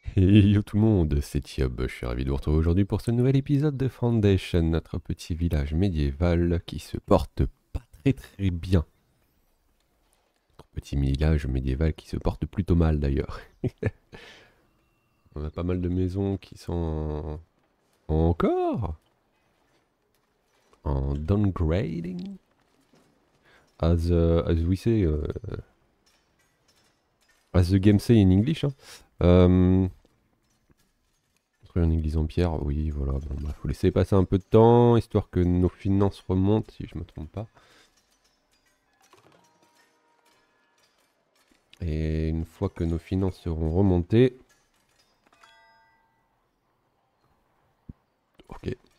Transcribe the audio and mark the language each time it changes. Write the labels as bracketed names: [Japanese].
[French] Yo tout le monde, c'est Thiob, je suis ravi de vous retrouver aujourd'hui pour ce nouvel épisode de Foundation, notre petit village médiéval qui se porte pas très très bien. Notre petit village médiéval qui se porte plutôt mal d'ailleurs. On a pas mal de maisons qui sont encore en downgrading. [English] As we say, as the game say in English. Hein. [French] Une église en pierre, oui, voilà. Bon, bah, faut laisser passer un peu de temps histoire que nos finances remontent, si je me trompe pas. Et une fois que nos finances seront remontées, ok.